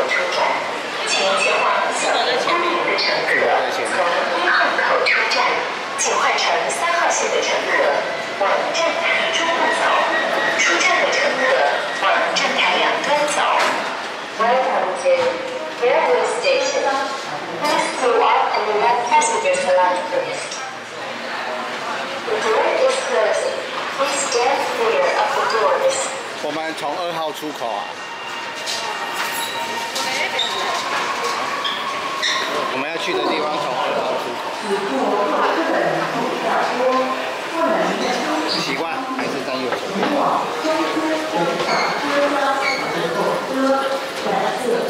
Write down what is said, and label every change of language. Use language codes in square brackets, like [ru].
[zh] 出站，请前往小林公园的乘客从一号口出站，请换乘三号线的乘客往站台中部走，出站的乘客往站台两端走。 [en] Welcome to Railway Station. Please pull up and let passengers alight first. The door is closing. Please stand clear of the doors. [zh] 我们从二号出口啊，我们要去的地方从二号出口。习惯还是占右手。